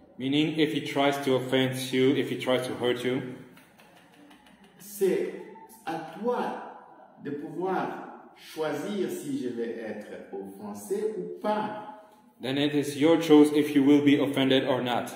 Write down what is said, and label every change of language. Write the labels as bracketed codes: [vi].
[en] meaning if he tries to offend you, if he tries to hurt you, [fr] c'est à toi de pouvoir choisir si je vais être offensé ou pas. [en] Then it is your choice if you will be offended or not.